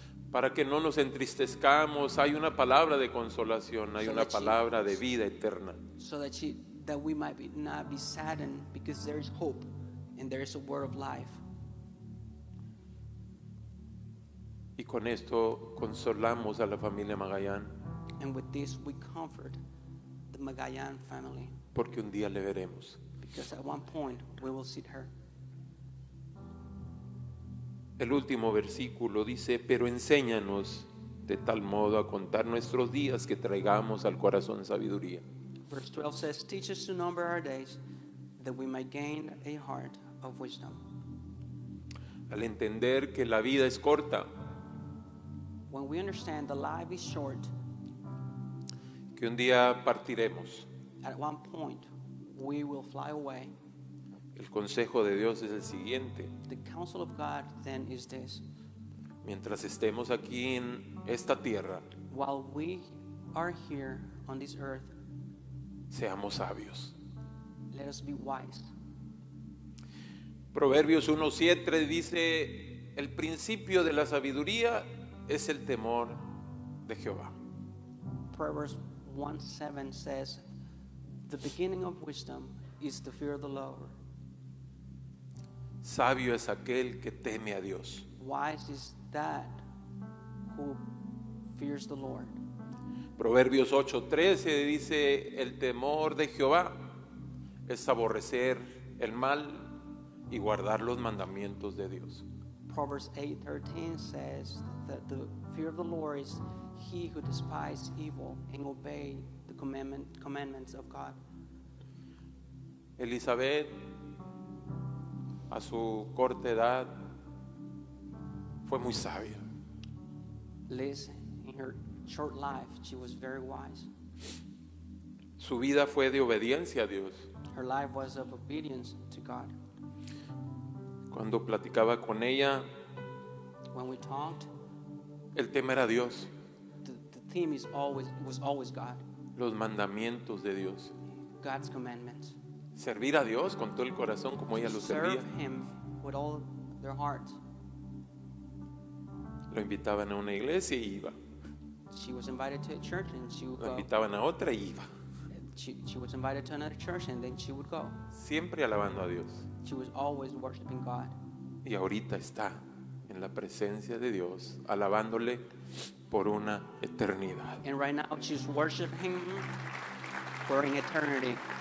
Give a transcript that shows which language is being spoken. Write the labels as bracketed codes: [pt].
[es] Para que no nos entristezcamos, hay una palabra de consolación, hay una palabra de vida eterna. [en] So that we might not be saddened, because there is hope and there is a word of life. [es] Y con esto consolamos a la familia Magallan. [en] And with this we comfort the Magallan family. [es] Porque un día le veremos. [en] Because at one point we will see her. [es] El último versículo dice: pero enséñanos de tal modo a contar nuestros días que traigamos al corazón sabiduría. [en] Verse 12 says, teach us to number our days that we may gain a heart of wisdom. [es] Al entender que la vida es corta. [en] When we understand the life is short, [es] que un día partiremos. [en] At one point, we will fly away. [es] El consejo de Dios es el siguiente. [en] The counsel of God then is this. [es] Mientras estemos aquí en esta tierra, [en] while we are here on this earth, [es] seamos sabios. [en] Let us be wise. [es] Proverbios 1:7 dice: el principio de la sabiduría es el temor de Jehová. [en] Proverbs 1:7 says, the beginning of wisdom is the fear of the Lord. [es] Sabio es aquel que teme a Dios. [en] Wise is that who fears the Lord. [es] Proverbios 8:13 dice: el temor de Jehová es aborrecer el mal y guardar los mandamientos de Dios. [en] Proverbs 8:13 says that the fear of the Lord is he who despises evil and obeys the commandments of God. [es] Elizabeth, a su corta edad, fue muy sabia. [en] Liz, in her short life, she was very wise. [es] Su vida fue de obediencia a Dios. [en] Her life was of obedience to God. [es] Cuando platicaba con ella, [en] when we talked, [es] el tema era Dios. [en] The theme is always, was always God. [es] Los mandamientos de Dios. [en] God's commandments. [es] Servir a Dios con todo el corazón como ella lo servía. [en] Serve him with all their heart. [es] Lo invitaban a una iglesia y iba. [en] She was invited to a church and she would go. [es] Lo invitaban a otra y iba. [en] She was invited to another church and then she would go. [es] Siempre alabando a Dios. [en] She was always worshiping God. [es] Y ahorita está en la presencia de Dios, alabándole por una eternidad. [en] And right now she's worshiping him for an eternity.